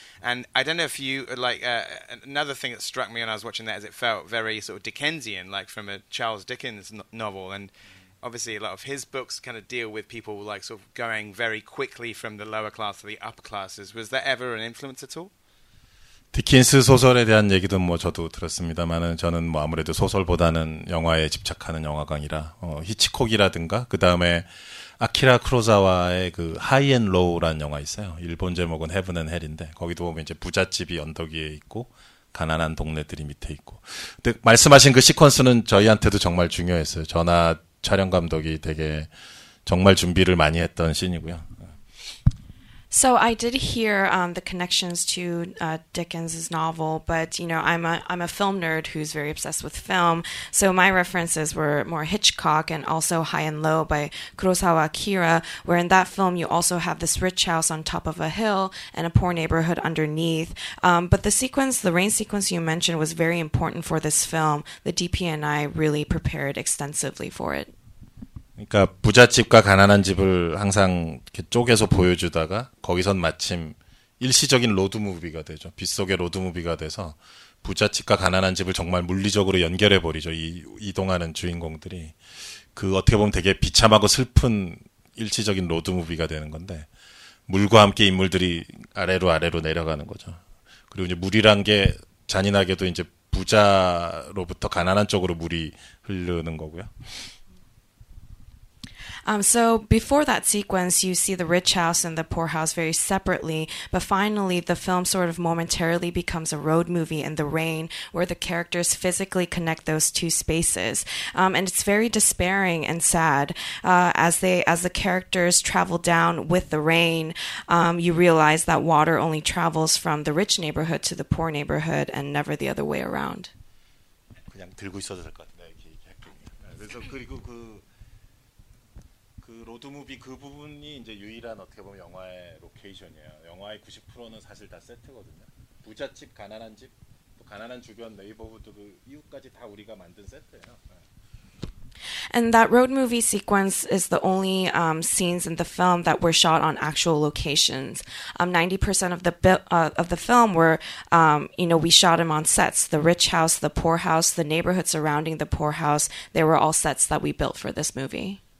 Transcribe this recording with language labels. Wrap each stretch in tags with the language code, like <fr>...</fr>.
<en>And I don't know if you, like, another thing that struck me when I was watching that is it felt very sort of Dickensian, like from a Charles Dickens novel. And obviously a lot of his books kind of deal with people like sort of going very quickly from the lower class to the upper classes. Was that ever an influence at all?</en> <ko>디킨스 소설에 대한 얘기도 뭐 저도 들었습니다만은 저는 뭐 아무래도 소설보다는 영화에 집착하는 영화광이라 히치콕이라든가 그 다음에 아키라 크로자와의 그 하이 앤 로우라는 영화 있어요. 일본 제목은 헤븐 앤 헬인데 거기도 보면 이제 부잣집이 언덕 위에 있고 가난한 동네들이 밑에 있고 근데 말씀하신 그 시퀀스는 저희한테도 정말 중요했어요. 전화 촬영 감독이 되게 정말 준비를 많이 했던 씬이고요.</ko> <en>So I did hear the connections to Dickens' novel, but you know, I'm a film nerd who's very obsessed with film. So my references were more Hitchcock and also High and Low by Kurosawa Akira, where in that film you also have this rich house on top of a hill and a poor neighborhood underneath. But the sequence, the rain sequence you mentioned, was very important for this film. The DP and I really prepared extensively for it.</en> <ko>그러니까 부잣집과 가난한 집을 항상 이렇게 쪼개서 보여주다가 거기선 마침 일시적인 로드무비가 되죠. 빗속의 로드무비가 돼서 부잣집과 가난한 집을 정말 물리적으로 연결해버리죠. 이동하는 주인공들이. 그 어떻게 보면 되게 비참하고 슬픈 일시적인 로드 무비가 되는 건데 물과 함께 인물들이 아래로 아래로 내려가는 거죠. 그리고 이제 물이란 게 잔인하게도 이제 부자로부터 가난한 쪽으로 물이 흐르는 거고요.</ko> <en>So before that sequence, you see the rich house and the poor house very separately, but finally the film sort of momentarily becomes a road movie in the rain, where the characters physically connect those two spaces. And it's very despairing and sad. As the characters travel down with the rain, you realize that water only travels from the rich neighborhood to the poor neighborhood and never the other way around.</en> <ko>그냥 들고 있어도 될 것 같네요. 그래서 그리고 그 그 로드무비 그 부분이 이제 유일한 어떻게 보면 영화의 로케이션이에요. 영화의 90%는 사실 다 세트거든요. 부잣집, 가난한 집, 또 가난한 주변 네이버후드 그 이웃까지 다 우리가 만든 세트예요.</ko> <en>And that road movie sequence is the only scenes in the film that were shot on actual locations. 90% of the film were, we shot them on sets. The rich house, the poor house, the neighborhood surrounding the poor house, they were all sets that we built for this movie.</en>